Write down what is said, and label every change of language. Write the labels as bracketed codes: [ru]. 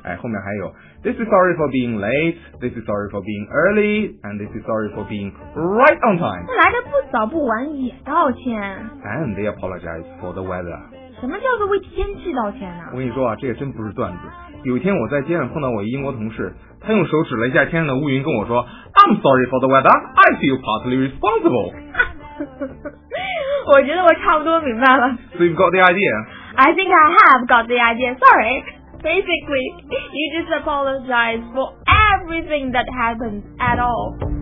[zh] 哎，后面还有 [en] This is sorry for being late. This is sorry for being early. And this is sorry for being right on time. [zh] 来得不早不晚也道歉。 [en] And they apologize for the weather. [zh] 什么叫做为天气道歉呢？我跟你说啊，这也真不是段子。有一天我在街上碰到我英国同事，他用手指了一下天上的乌云跟我说 [en] I'm sorry for the weather. I feel partly responsible. [zh] 我觉得我差不多明白了。 [en] So you've got the idea? I think I have got the idea. Sorry. Basically, you just apologize for everything that happens at all.